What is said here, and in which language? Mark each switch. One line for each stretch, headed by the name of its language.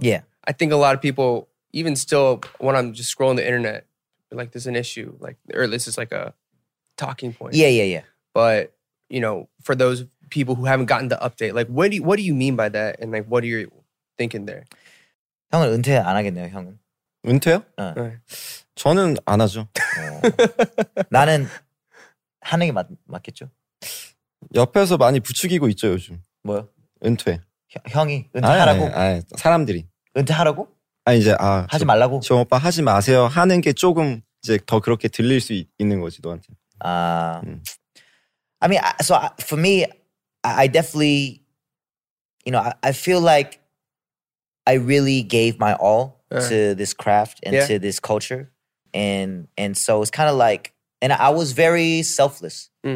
English: Yeah. I think a lot of people, even still when I'm just scrolling the internet, like there's an issue. Like, or this is like a talking point. Yeah. But, you know, for those people who haven't gotten the update. Like, what do you mean by that? And like, what are you thinking there?
Korean: 형은 은퇴 안 하겠네요, 형은. 은퇴요? 네. 저는 안 하죠. 나는 하는 게 맞겠죠? 옆에서 많이 부추기고 있죠, 요즘. 뭐요? 은퇴. 형이 은퇴하라고? 아니, 사람들이. 은퇴하라고? 아니, 이제 하지 말라고? 저 오빠 하지 마세요. 하는 게 조금 이제 더 그렇게 들릴 수 있는 거지, 너한테. 아.
English: I mean, so for me, I definitely, you know, I feel like I really gave my all to this craft and to this culture. And so it's kind of like, and I was very selfless.